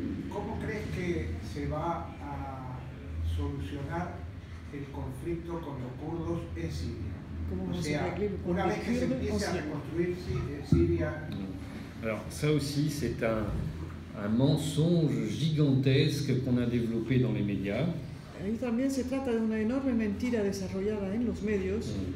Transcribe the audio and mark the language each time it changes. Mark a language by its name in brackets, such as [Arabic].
[Spanish] ¿Cómo crees que se va a solucionar el conflicto con los kurdos en Siria? ¿Cómo se arregla con los kurdos? Una vez que se empiece a reconstruir Siria. [French] Alors ça aussi c'est un mensonge gigantesque qu'on a développé dans les médias. [Spanish] Y también se trata de una enorme mentira desarrollada en los medios.